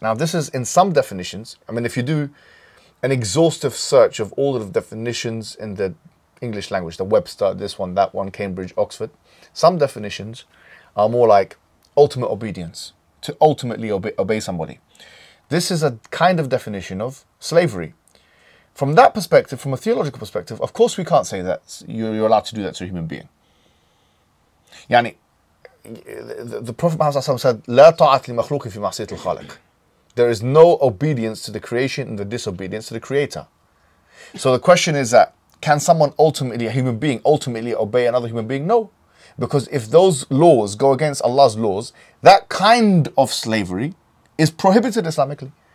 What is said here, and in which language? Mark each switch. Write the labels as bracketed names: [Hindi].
[English] Now, this is in some definitions. I mean, if you do an exhaustive search of all of the definitions in the English language, the Webster, this one, that one, Cambridge, Oxford, some definitions are more like ultimate obedience, to ultimately obey somebody. This is a kind of definition of slavery. From that perspective, from a theological perspective, of course we can't say that you're allowed to do that to a human being. Yani, the Prophet Muhammad said, [Arabic] لا طاعة لمخلوق في معصية الخالق. [English] There is no obedience to the creation and the disobedience to the creator. So the question is that, can someone ultimately, a human being, ultimately obey another human being? No. Because if those laws go against Allah's laws, that kind of slavery is prohibited Islamically.